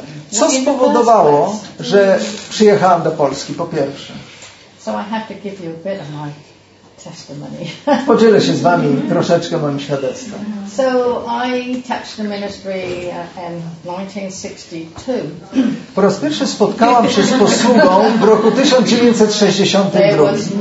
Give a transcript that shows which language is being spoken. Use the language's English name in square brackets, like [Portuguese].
[Polish] Co spowodowało, że przyjechałam do Polski po pierwsze? [English] So I have to give you a bit of my testimony. [Polish] Podzielę się z wami troszeczkę moim świadectwem. [English] So I touched the ministry in 1962. [Polish] Po raz pierwszy spotkałam się z posługą w roku 1962.